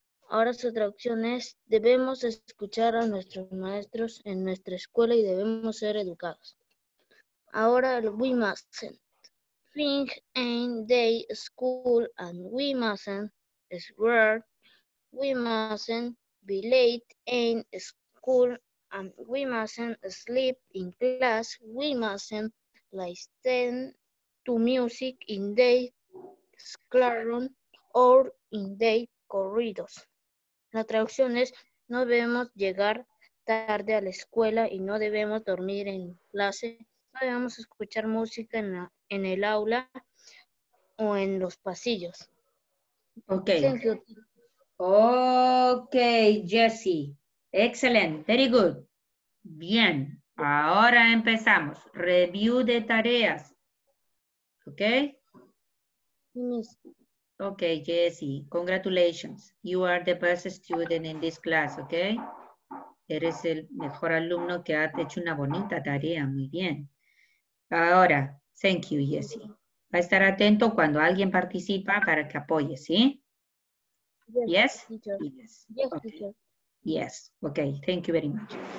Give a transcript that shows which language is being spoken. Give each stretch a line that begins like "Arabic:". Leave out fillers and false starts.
Spanish: Ahora su traducción es, debemos escuchar a nuestros maestros en nuestra escuela y debemos ser educados. Ahora el
English: we mustn't think in the school and we mustn't swear. We mustn't be late in school and we mustn't sleep in class. We mustn't listen to music in the classroom or in the corridors.
Spanish: La traducción es, no debemos llegar tarde a la escuela y no debemos dormir en clase. No debemos escuchar música en el aula o en los pasillos.
English: Ok. Ok, Jesse. Excelente. Very good. Bien.
Spanish: Ahora empezamos. Review de tareas. Ok.
English: Okay, Jesse, congratulations. You are the best student in this class, okay?
Spanish: Eres el mejor alumno que ha hecho una bonita tarea, muy bien. Ahora,
English: thank you,
Spanish: Jesse. Va a estar atento cuando alguien participa para que apoye, ¿sí? Yes,
English: teacher. Yes, okay. Teacher. Yes, okay. Thank you very much.